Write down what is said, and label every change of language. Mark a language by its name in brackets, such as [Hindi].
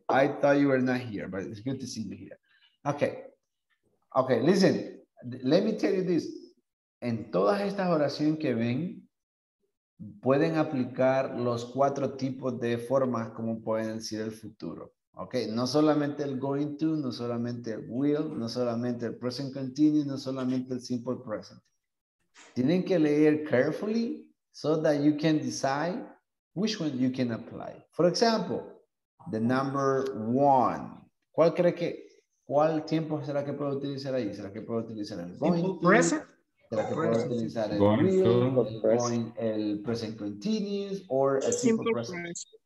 [English] I thought you were not here, but it's good to see you here. Okay. Okay, listen. Let me tell you this. [Spanish] En todas estas oraciones que ven, pueden aplicar los 4 tipos de formas como pueden decir el futuro. Okay, no solamente el going to, no solamente el will, no solamente el present continuous, no solamente el simple present. Tienen que leer [English] carefully so that you can decide which one you can apply. For example, the number 1. [Spanish] ¿Cuál cree que, cuál tiempo será que puedo utilizar ahí? ¿Será que puedo utilizar el going [English] simple to? Present? [Spanish] ¿Será que puedo utilizar el going will, el present continuous, or a simple present?